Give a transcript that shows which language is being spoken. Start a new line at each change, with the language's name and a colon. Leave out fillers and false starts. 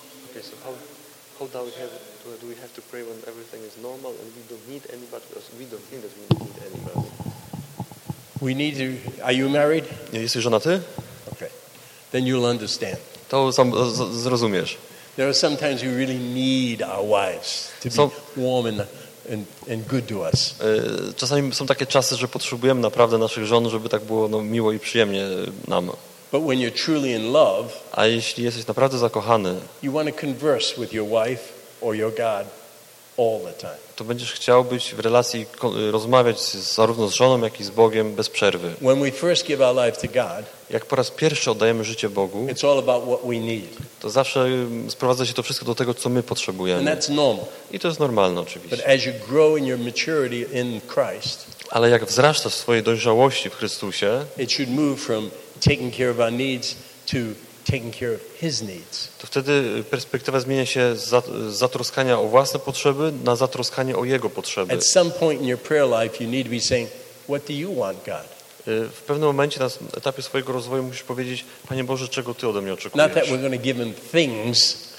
English: Okay, so how do we have to pray when everything is normal and we don't need anybody, because we don't think that we need anybody. We need to. Are you married?
Polish: Jesteś żonaty?
English: Okay. Then you'll understand.
Polish: To sam zrozumiesz.
English: There are sometimes we really need our wives to be warm and good to us.
Polish: Czasami są takie czasy, że potrzebujemy naprawdę naszych żon, żeby tak było miło i przyjemnie nam.
English: But when you're truly in love,
Polish: a jeśli jesteś naprawdę zakochany,
English: you want to converse with your wife or your God. all the time.
Polish: To będziesz chciał być w relacji, rozmawiać zarówno z żoną, jak i z Bogiem bez przerwy.
English: When we first give our life to God,
Polish: jak po raz pierwszy oddajemy życie Bogu,
English: it's all about what we need.
Polish: To zawsze sprowadza się to wszystko do tego, co my potrzebujemy.
English: And that's normal.
Polish: I to jest normalne oczywiście.
English: But as you grow in your maturity in Christ,
Polish: ale jak wzrastasz w swojej dojrzałości w Chrystusie,
English: it should move from taking care of our needs to taking care of his needs.
Polish: To wtedy perspektywa zmienia się z zatroskania o własne potrzeby na zatroskanie o jego potrzeby.
English: At some point in your prayer life you need to be saying, what do you want, God?
Polish: W pewnym momencie na etapie swojego rozwoju musisz powiedzieć, Panie Boże, czego ty ode mnie oczekujesz?
English: Not that we're going to give him things.